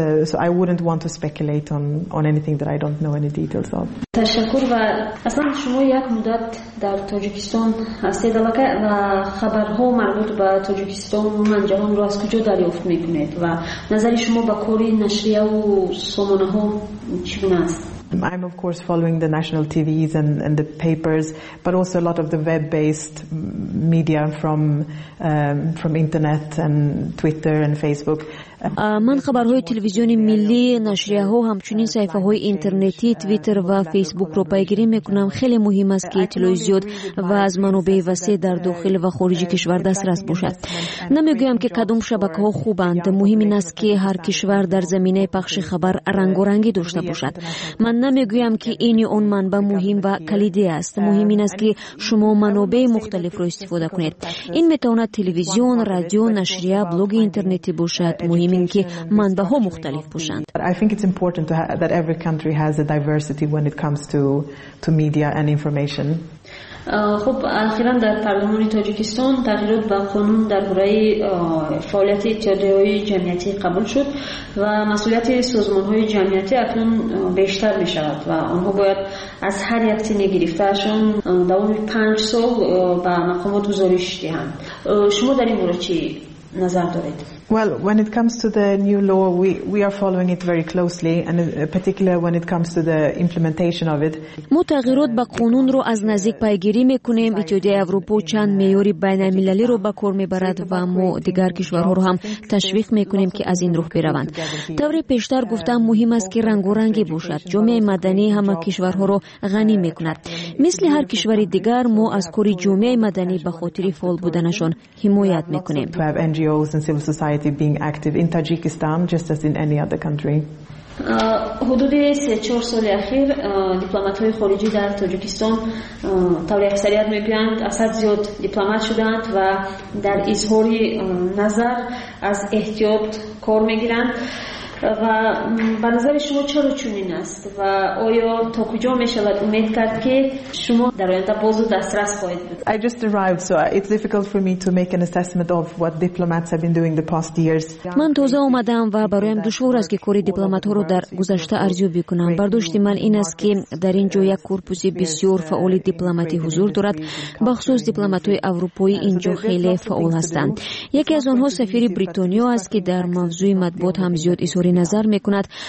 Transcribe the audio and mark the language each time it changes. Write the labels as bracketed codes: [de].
[en] So I wouldn't want to speculate on anything that I don't know any details of. [fa] تشکر و اصلا شما یک مدت در تاجیکستان هستید و خبرها مربوط به تاجیکستان من جهان رو از کجا دریافت میکنید و نظر شما به کار نشریه و سامانه ها چگونه است؟ [en] I'm of course following the national TVs and the papers, but also a lot of the web-based media from internet and Twitter and Facebook. [fa] من خبرهای تلویزیونی ملی، نشریه‌ها، همچنین صفحه‌های اینترنتی، تویتر و فیسبوک را پیگیری می‌کنم. خیلی مهم است که اطلاعات زیاد و از منابع وسیع در داخل و خارج کشور دسترس باشد. نمی‌گویم که کدام شبکه‌ها خوبند، مهم این است که هر کشور در زمینه پخش خبر رنگارنگی داشته باشد. من نمی‌گویم که این یا آن منبع مهم و کلیدی است. مهم این است که شما منابع مختلف را استفاده کنید. این می‌تواند تلویزیون، رادیو، نشریه، بلاگ اینترنتی باشد. میکنیم این که منبع ها مختلف باشند. [en] I think it's important to that every country has a diversity when it comes to media and information. [fa] خب اخیرا در پارلمان تاجیکستان تغییرات به قانون درباره فعالیت اتحادیه‌های جمعیتی قبول شد و مسئولیت سازمان‌های جمعیتی اکنون بیشتر می‌شود و آنها باید از هر یک تنه گرفته‌شون دوام 5 سال به مقامات گزارش دهند. شما در این مورد چی نظر دارید؟ [en] Well, when it comes to the new law, we are following it very closely, and particularly when it comes to the implementation of it. [fa] مو تغییرات به قانون رو از نزدیک پیگیری میکنیم. اتحادیه اروپا چند معیار بین المللی رو به کار میبرد و ما دیگر کشورها رو هم تشویق میکنیم که از این راه بروند. طور پیشتر گفتم مهم است که رنگارنگی باشد. جامعه مدنی همه کشورها رو غنی میکند. مثل هر کشور دیگر ما از کار جامعه مدنی به خاطر فعال بودنشون حمایت میکنیم. [en] society being active in Tajikistan just as in any other country. [fa] حدود 3-4 سال اخیر دیپلمات‌های خارجی در تاجیکستان طوری اکثریت می‌گویند اسد زیاد دیپلمات شدند و در اظهار نظر از احتیاط کار می‌گیرند و به نظر شما چرا چنین است و آیا تا کجا می‌شود امید کرد که شما در آینده باز دسترس خواهید بود؟ [en] I just arrived, so it's difficult for me to make an assessment of what diplomats have been doing the past years. [fa] من تازه اومدم و برایم دشوار است که کاری دیپلمات‌ها رو در گذشته ارزیابی کنم. برداشت من این است که در اینجا یک کورپوس بسیار فعال دیپلماتی حضور دارد. بخصوص دیپلمات‌های اروپایی اینجا خیلی فعال هستند. یکی از آنها سفیر بریتانیا است که در موضوع مطبوعات هم زیاد اظهاری نظر می‌کند.